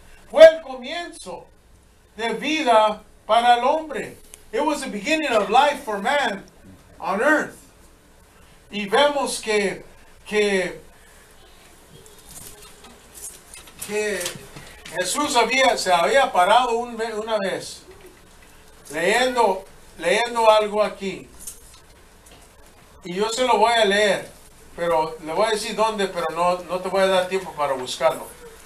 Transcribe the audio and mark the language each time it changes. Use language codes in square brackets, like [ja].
[es] Fue el comienzo de vida para el hombre. [en] It was the beginning of life for man on earth. [es] Y vemos que Jesús se había parado una vez leyendo algo aquí. Y yo se lo voy a leer, pero le voy a decir dónde, pero no te voy a dar tiempo para buscarlo.